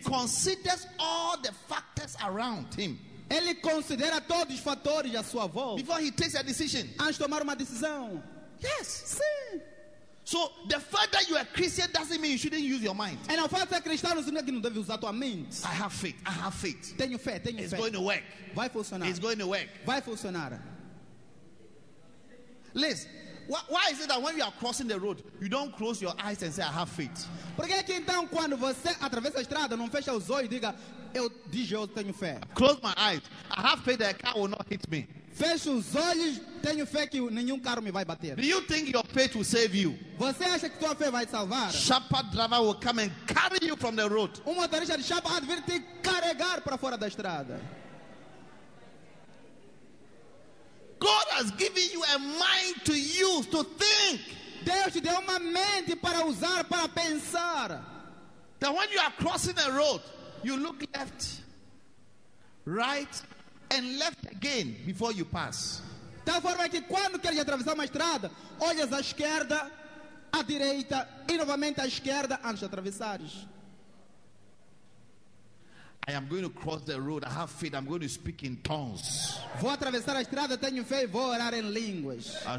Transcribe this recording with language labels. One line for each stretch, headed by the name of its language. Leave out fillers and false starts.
English: He considers all the factors around him.
Portuguese: Ele considera todos os fatores à sua volta.
English: Before he takes a decision.
Portuguese: Antes de tomar uma decisão.
English: Yes.
Portuguese: Sim.
English: So, the fact that you are Christian doesn't mean you shouldn't use your mind.
Portuguese: E não faz cristão, não significa que não deve usar tua mente.
English: I have faith.
Portuguese: Tenho fé.
English: It's going to work.
Portuguese: Vai funcionar.
English: It's going to work.
Portuguese: Vai funcionar.
English: Listen. Why is it that when you are crossing the road, you don't close your eyes and say, I have faith?
Portuguese: Porque é que então quando você atravessa a estrada, não fecha os olhos e diga, eu tenho fé.
English: Close my eyes. I have faith that a car will not hit me.
Portuguese: Fecho os olhos, tenho fé que nenhum carro me vai bater.
English: Do you think your faith will save you?
Portuguese: Você acha que tua fé vai te salvar?
English: Shepherd driver will come and carry you from the road.
Portuguese: Um motorista de chapa vai vir te carregar para fora da estrada.
English: God has given you a mind to use, to think.
Portuguese: Deus te deu uma mente para usar, para pensar.
English: That when you are crossing a road, you look left, right, and left again before you pass.
Portuguese: Da forma que quando queres atravessar uma estrada, olhas à esquerda, à direita, e novamente à esquerda antes de atravessares.
English: I am going to cross the road. I have faith. I'm going to speak in tongues.
Portuguese: Vou atravessar a estrada, tenho fé, vou orar em línguas.